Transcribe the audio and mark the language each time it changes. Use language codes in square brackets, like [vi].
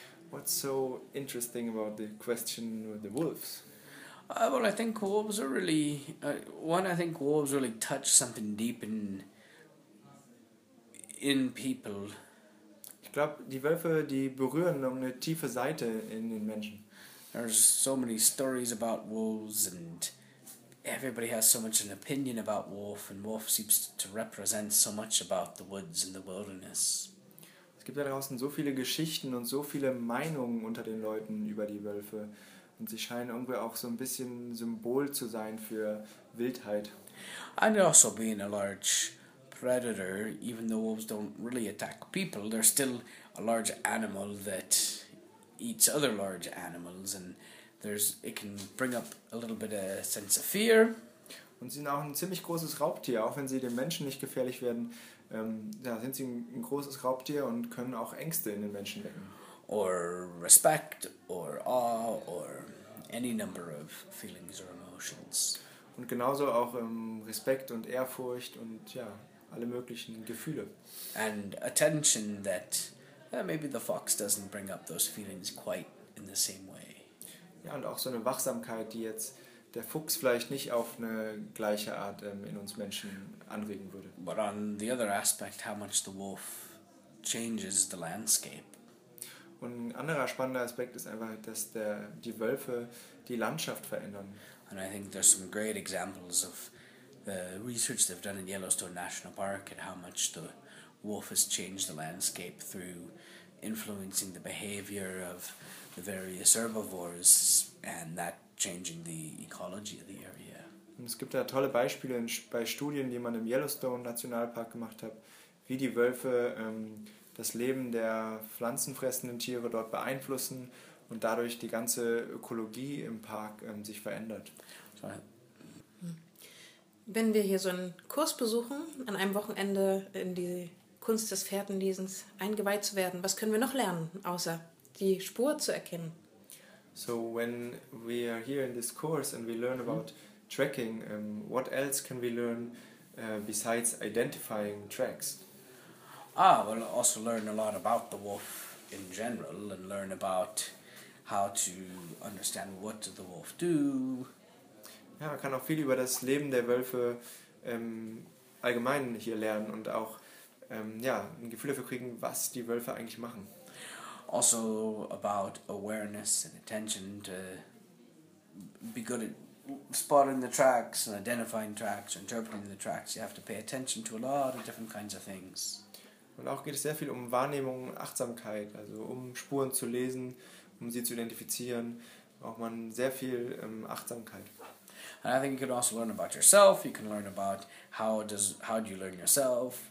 [en] What's so interesting about the question with the wolves? Well, I think wolves are really... I think wolves really touch something deep in people. [de] Ich glaube, die Wölfe, die berühren noch eine tiefe Seite in den Menschen. [en] There's so many stories about wolves and... Everybody has so much an opinion about wolf, and wolf seems to represent so much about the woods and the wilderness. [de] Es gibt da draußen so viele Geschichten und so viele Meinungen unter den Leuten über die Wölfe, und sie scheinen irgendwie auch so ein bisschen Symbol zu sein für Wildheit. [en] And also being a large predator, even though wolves don't really attack people, they're still a large animal that eats other large animals, and it can bring up a little bit of sense of fear. [de] Und sie sind auch ein ziemlich großes Raubtier, auch wenn sie den Menschen nicht gefährlich werden. Sind sie ein großes Raubtier und können auch Ängste in den Menschen wecken. [en] Or respect, or awe, or any number of feelings or emotions. [de] Und genauso auch Respekt und Ehrfurcht und ja, alle möglichen Gefühle. [en] And attention that maybe the fox doesn't bring up those feelings quite in the same way. [de] Ja, und auch so eine Wachsamkeit, die jetzt der Fuchs vielleicht nicht auf eine gleiche Art in uns Menschen anregen würde. [en] But on the other aspect, how much the wolf changes the landscape. [de] Und ein anderer spannender Aspekt ist einfach, dass die Wölfe die Landschaft verändern. [en] And I think there's some great examples of the research they've done in Yellowstone National Park and how much the wolf has changed the landscape through influencing the behavior of the various herbivores and that changing the ecology of the area. [de] Und es gibt da tolle Beispiele bei Studien, die man im Yellowstone-Nationalpark gemacht hat, wie die Wölfe das Leben der pflanzenfressenden Tiere dort beeinflussen und dadurch die ganze Ökologie im Park sich verändert. Wenn wir hier so einen Kurs besuchen, an einem Wochenende in die Kunst des Pferdenlesens eingeweiht zu werden, was können wir noch lernen, außer die Spur zu erkennen? [en] So when we are here in this course and we learn about tracking, what else can we learn besides identifying tracks? Ah, we'll also learn a lot about the wolf in general and learn about how to understand what does the wolf do. [de] Ja, man kann auch viel über das Leben der Wölfe allgemein hier lernen und auch ein Gefühl dafür kriegen, was die Wölfe eigentlich machen. [en] Also about awareness and attention to be good at spotting the tracks and identifying tracks, interpreting the tracks. You have to pay attention to a lot of different kinds of things. [de] Und auch geht es sehr viel um Wahrnehmung, Achtsamkeit, also um Spuren zu lesen, um sie zu identifizieren, braucht man sehr viel Achtsamkeit. [en] And I think you can also learn about yourself. You can learn about how do you learn yourself?